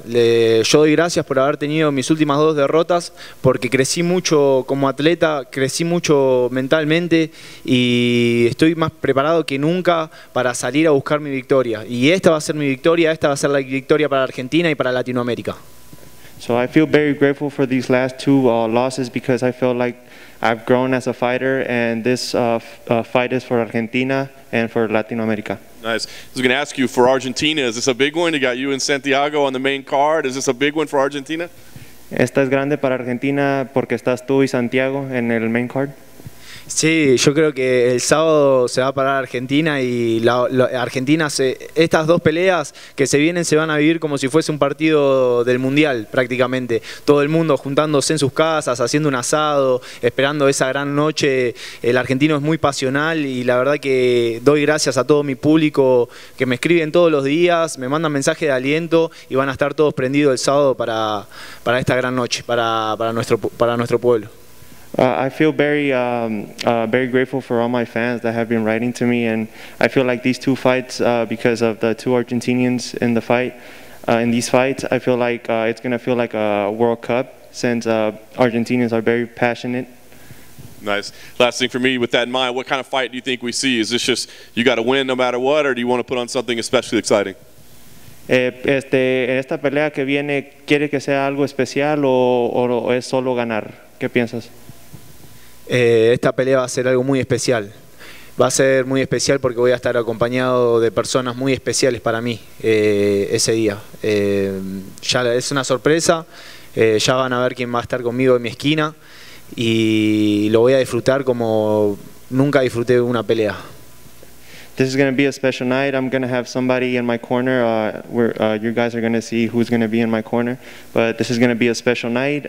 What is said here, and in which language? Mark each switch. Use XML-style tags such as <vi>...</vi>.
<es>Yo doy gracias por haber tenido mis últimas 2 derrotas, porque crecí mucho como atleta, crecí mucho mentalmente, y estoy más preparado que nunca para salir a buscar mi victoria. Y esta va a ser mi victoria, esta va a ser la victoria para Argentina y para Latinoamérica.</es> <en>So I feel very grateful for these last 2 losses because I feel like I've grown as a fighter, and this fight is for Argentina and for Latinoamérica. Nice. Nice. I was going to ask you, for Argentina, is this a big one? You got you and Santiago on the main card. Is this a big one for Argentina?</en> <es>Esta es grande para Argentina porque estás tú y Santiago en el main card. Sí, yo creo que el sábado se va a parar Argentina y Argentina, estas dos peleas que se vienen se van a vivir como si fuese un partido del Mundial prácticamente. Todo el mundo juntándose en sus casas, haciendo un asado, esperando esa gran noche. El argentino es muy pasional y la verdad que doy gracias a todo mi público que me escriben todos los días, me mandan mensajes de aliento y van a estar todos prendidos el sábado para esta gran noche, para nuestro pueblo.</es> <en>I feel very very grateful for all my fans that have been writing to me, and I feel like these two fights, because of the two Argentinians in the fight, in these fights, I feel like it's going to feel like a World Cup, since Argentinians are very passionate. Nice. Last thing for me, with that in mind, what kind of fight do you think we see? Is this just you got to win no matter what, or do you want to put on something especially exciting?</en> <es>Esta pelea que viene, ¿quiere que sea algo especial o es solo ganar? ¿Qué piensas? Esta pelea va a ser algo muy especial. Va a ser muy especial porque voy a estar acompañado de personas muy especiales para mí ese día. Ya es una sorpresa, ya van a ver quién va a estar conmigo en mi esquina y lo voy a disfrutar como nunca disfruté una pelea.</es> <en>This is going to be a special night. I'm going to have somebody in my corner. You guys are going to see who's going to be in my corner. But this is going to be a special night.</en>